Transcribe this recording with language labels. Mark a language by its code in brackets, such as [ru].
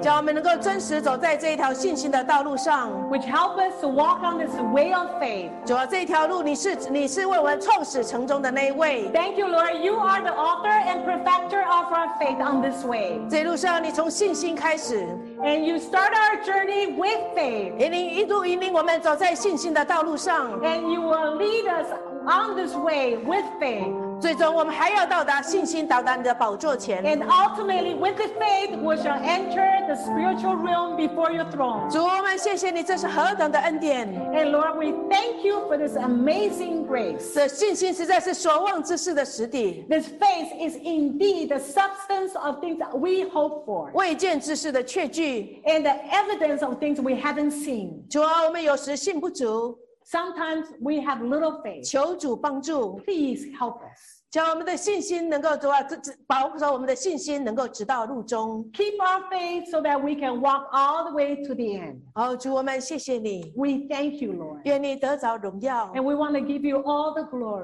[zh] 叫我们能够真实走在这一条信心的道路上。 [en] Which help us to walk on this way of faith. [zh] 主啊，这条路你是为我们创始成终的那一位。 [en] Thank you, Lord. You are the author and perfecter of our faith on this way. [zh] 这路上你从信心开始。 [en] And you start our journey with faith. [zh] 引领我们走在信心的道路上。 [en] And you will lead us on this way with faith. [zh] 最终我们还要到达信心到达你的宝座前 [en] And ultimately with the faith we shall enter the spiritual realm before your throne [zh] 主我们谢谢你这是何等的恩典 [en] And Lord we thank you for this amazing grace [zh] 这信心实在是所望之事的实底 [en] This faith is indeed the substance of things we hope for [zh] 未见之事的确据 [en] And the evidence of things we haven't seen [zh] 主啊我们有时信不足 [en] Sometimes we have little faith. [zh] 求主帮助。 [en] Please help us. [zh] 将我们的信心能够走啊，保守我们的信心能够直到入终。 [en] Keep our faith so that we can walk all the way to the end. [zh] 好，主，我们谢谢你。 [en] We thank you, Lord. [zh] 愿你得着荣耀。 [en] And we want to give you all the glory.